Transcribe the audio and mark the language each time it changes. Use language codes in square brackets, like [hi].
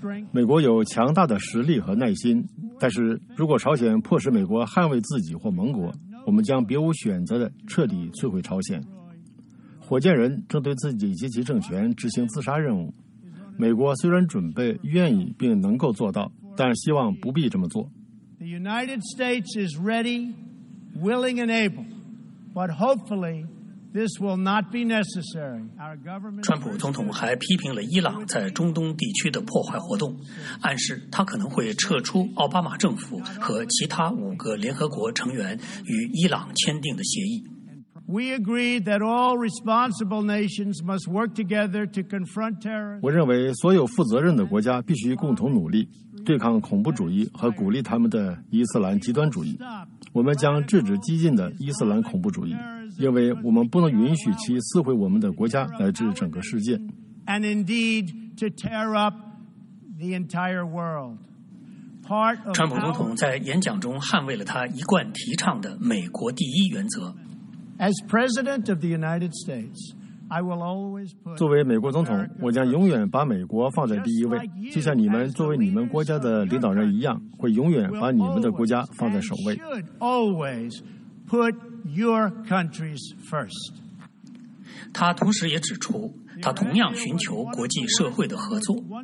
[zh] 美国有强大的实力和耐心，但是如果朝鲜迫使美国捍卫自己或盟国，我们将别无选择地彻底摧毁朝鲜。火箭人正对自己及其政权执行自杀任务，美国虽然准备、愿意并能够做到，但希望不必这么做。 [en] The United States is ready, willing and able, but hopefully this will not be necessary. [zh] 川普总统还批评了伊朗在中东地区的破坏活动，暗示他可能会撤出奥巴马政府和其他5个联合国成员与伊朗签订的协议。 [en] We agree that all responsible nations must work together to confront terror. [zh] 我认为所有负责任的国家必须共同努力，对抗恐怖主义和鼓励他们的伊斯兰极端主义。我们将制止激进的伊斯兰恐怖主义，因为我们不能允许其撕毁我们的国家乃至整个世界。 [en] And indeed, to tear up the entire world. [zh] 川普总统在演讲中捍卫了他一贯提倡的美国第一原则。 [en] As President of the United States, I will always put. [zh] 作为美国总统，我将永远把美国放在第一位，就像你们作为你们国家的领导人一样，会永远把你们的国家放在首位。 [en] Should always put your countries first. [zh] 他同时也指出，他同样寻求国际社会的合作。